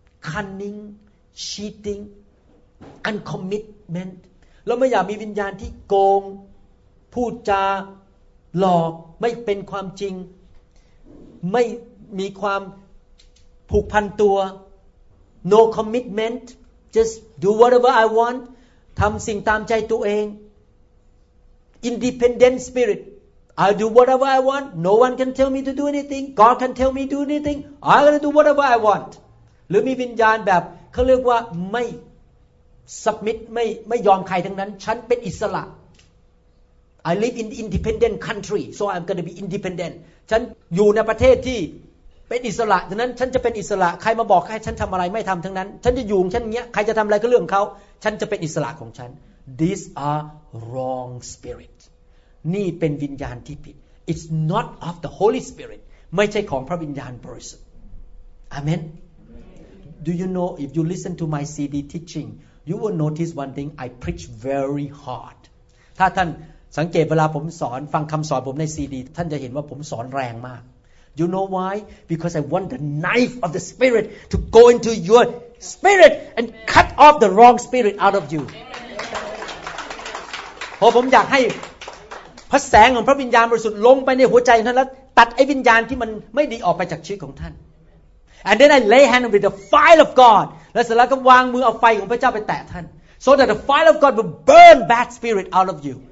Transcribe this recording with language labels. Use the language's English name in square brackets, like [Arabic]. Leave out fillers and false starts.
[English] Cunning cheating uncommitment [Thai] เราไม่อยากมีวิญญาณที่โกงพูดจาหลอกไม่เป็นความจริงไม่มีความผูกพันตัว [English] No commitmentJust do whatever I want. [Thai] ทำสิ่งตามใจตัวเอง [English] Independent spirit. I'll do whatever I want. No one can tell me to do anything. God can tell me to do anything. I'm gonna do whatever I want. [Thai] หรือมีวิญญาณแบบเขาเรียกว่าไม่ submit ไม่ยอมใครทั้งนั้นฉันเป็นอิสระ [English] I live in independent country. So I'm gonna be independent. [Thai] ฉันอยู่ในประเทศที่เป็นอิสระฉะนั้นฉันจะเป็นอิสระใครมาบอกให้ฉันทำอะไรไม่ทำทั้งนั้นฉันจะอยู่ฉันเงี้ยใครจะทำอะไรก็เรื่องเขาฉันจะเป็นอิสระของฉัน [English] These are wrong spirit [Thai] นี่เป็นวิญญาณที่ผิด [English] It's not of the Holy Spirit [Thai] ไม่ใช่ของพระวิญญาณบริสุทธิ์ Amen [English] Do you know if you listen to my CD teaching you will notice one thing I preach very hard [Thai] ถ้าท่านสังเกตเวลาผมสอนฟังคำสอนผมในซีดีท่านจะเห็นว่าผมสอนแรงมาก [English] You know why? Because I want the knife of the spirit to go into your spirit and cut off the wrong spirit out of you. [Thai] เพราะผมอยากให้พระแสงของพระวิญญาณบริสุทธิ์ลงไปในหัวใจของท่านแล้วตัดไอ้วิญญาณที่มันไม่ดีออกไปจากชีวิตของท่าน [English] And then I lay hand with the fire of God. [Thai] และเสร็จแล้วก็วางมือเอาไฟของพระเจ้าไปแตะท่าน [English] So that the fire of God will burn bad spirit out of you.